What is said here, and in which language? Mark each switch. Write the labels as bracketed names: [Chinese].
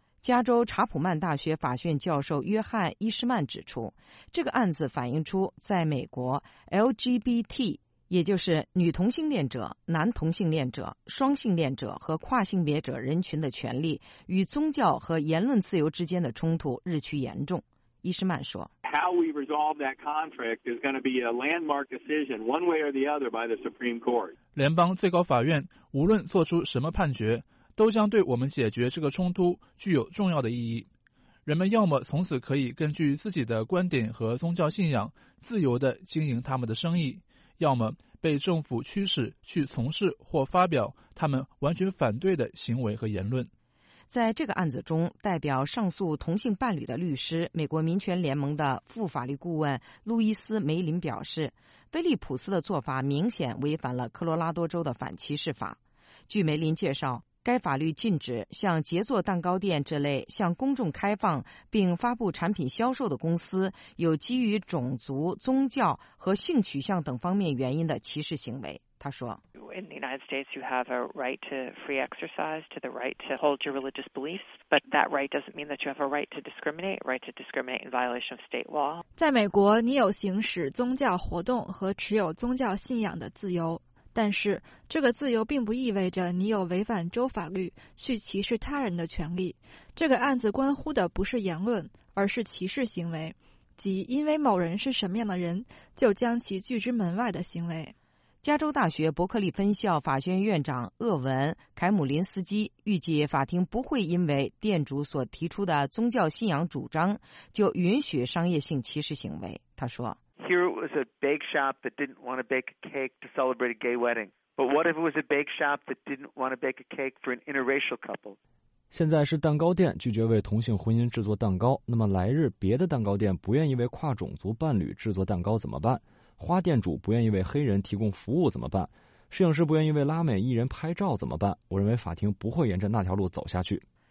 [Chinese] 加州查普曼大学法学院教授约翰·伊施曼指出，这个案子反映出在美国 LGBT 也就是女同性恋者、男同性恋者、双性恋者和跨性别者人群的权利与宗教和言论自由之间的冲突日趋严重。伊施曼说 [English] How we resolve that conflict is going to be a landmark decision one way or the other by the Supreme Court. [Chinese] 联邦最高法院无论做出什么判决，都将对我们解决这个冲突具有重要的意义。人们要么从此可以根据自己的观点和宗教信仰自由地经营他们的生意，要么被政府驱使去从事或发表他们完全反对的行为和言论。在这个案子中，代表上诉同性伴侣的律师、美国民权联盟的副法律顾问路易斯·梅林表示，菲利普斯的做法明显违反了科罗拉多州的反歧视法。据梅林介绍，该法律禁止像杰作蛋糕店这类向公众开放并发布产品销售的公司有基于种族、宗教和性取向等方面原因的歧视行为。他说 [English] ：“In the United States, you have a right to free exercise, to the right to hold your religious beliefs, but that right doesn't mean that you have a right to discriminate, right to discriminate in violation of state law. [Chinese] 在美国，你有行使宗教活动和持有宗教信仰的自由，但是这个自由并不意味着你有违反州法律去歧视他人的权利。这个案子关乎的不是言论，而是歧视行为，即因为某人是什么样的人，就将其拒之门外的行为。” 加州大学伯克利分校法学院院长厄文·凯姆林斯基预计，法庭不会因为店主所提出的宗教信仰主张就允许商业性歧视行为。他说 [English] ：“Here it was a bake shop that didn't want to bake a cake to celebrate a gay wedding. But what if it was a bake shop that didn't want to bake a cake for an interracial couple？” [Chinese] 现在是蛋糕店拒绝为同性婚姻制作蛋糕，那么来日别的蛋糕店不愿意为跨种族伴侣制作蛋糕怎么办？花店主不愿意为黑人提供服务怎么办？摄影师不愿意为拉美艺人拍照怎么办？我认为法庭不会沿着那条路走下去。